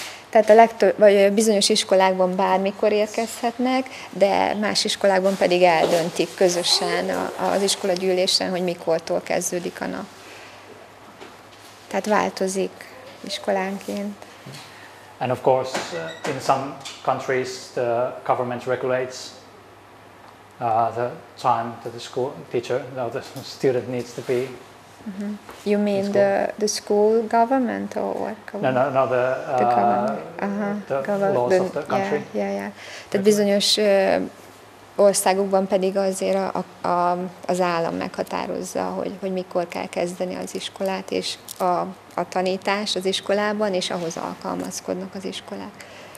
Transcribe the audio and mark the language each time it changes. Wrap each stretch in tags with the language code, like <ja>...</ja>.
<hu>Tehát a legtöbb, vagy bizonyos iskolákban bármikor érkezhetnek, de más iskolákban pedig eldöntik közösen az iskola gyűlésen, hogy mikortól kezdődik a nap. Tehát változik iskolánként.</hu> <en>And of course, in some countries, the government regulates the time that the school teacher, or the student needs to be. Mm-hmm. You mean the school government or what government? No, the government. Uh-huh. The laws of the country. Yeah.</en> <hu>Tehát bizonyos országokban pedig azért az állam meghatározza, hogy mikor kell kezdeni az iskolát, és a tanítás az iskolában, és ahhoz alkalmazkodnak az iskolák.</hu>